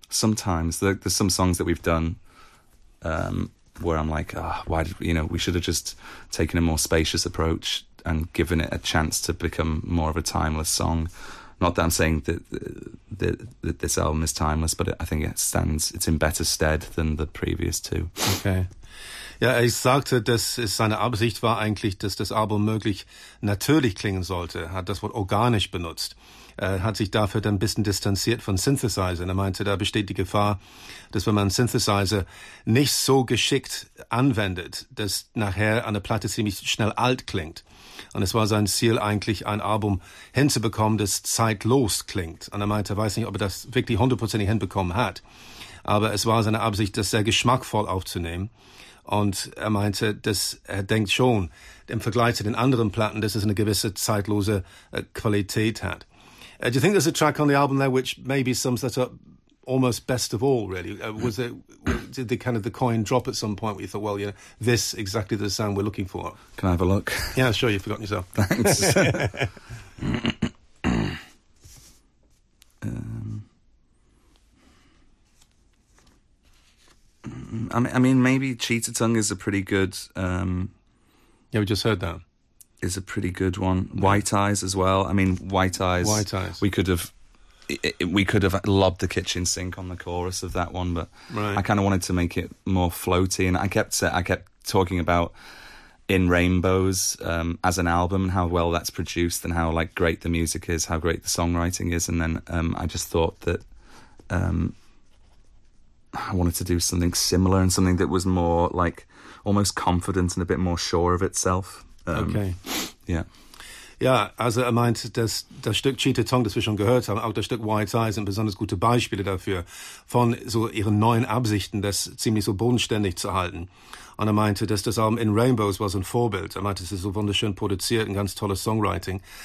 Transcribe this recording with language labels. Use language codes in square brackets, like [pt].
[en] Sometimes there's some songs that we've done where I'm like, we should have just taken a more spacious approach and given it a chance to become more of a timeless song. Not that I'm saying that this album is timeless, but I think it's in better stead than the previous two. Okay. [de] Ja, ich sagte, dass es seine Absicht war eigentlich, dass das Album möglich natürlich klingen sollte. Hat das Wort organisch benutzt. Hat sich dafür dann ein bisschen distanziert von Synthesizer. Und er meinte, da besteht die Gefahr, dass wenn man Synthesizer nicht so geschickt anwendet, dass nachher an der Platte ziemlich schnell alt klingt. Und es war sein Ziel eigentlich, ein Album hinzubekommen, das zeitlos klingt. Und er meinte, er weiß nicht, ob er das wirklich hundertprozentig hinbekommen hat. Aber es war seine Absicht, das sehr geschmackvoll aufzunehmen. Und er meinte, dass er denkt schon, im Vergleich zu den anderen Platten, dass es eine gewisse zeitlose Qualität hat. [en] Do you think there's a track on the album there which maybe sums that up almost best of all, really? Did the kind of the coin drop at some point where you thought, well, this exactly the sound we're looking for? Can I have a look? Yeah, sure, you've forgotten yourself. Thanks. maybe Cheetah Tongue is a pretty good... Yeah, we just heard that. Is a pretty good one. White Eyes as well. I mean, White Eyes. White Eyes. We could have lobbed the kitchen sink on the chorus of that one, but right. I kind of wanted to make it more floaty, and I kept talking about In Rainbows as an album and how well that's produced and how like great the music is, how great the songwriting is, and then I just thought that I wanted to do something similar and something that was more like almost confident and a bit more sure of itself. Okay. Yeah. [de] Ja, also er meint, dass das Stück Cheetah Tong, das wir schon gehört haben, auch das Stück White Eyes sind besonders gute Beispiele dafür, von so ihren neuen Absichten, das ziemlich so bodenständig zu halten. Und er meinte, dass das Album In Rainbows war so ein Vorbild. Er meinte, es ist so wunderschön produziert, ein ganz tolles Songwriting.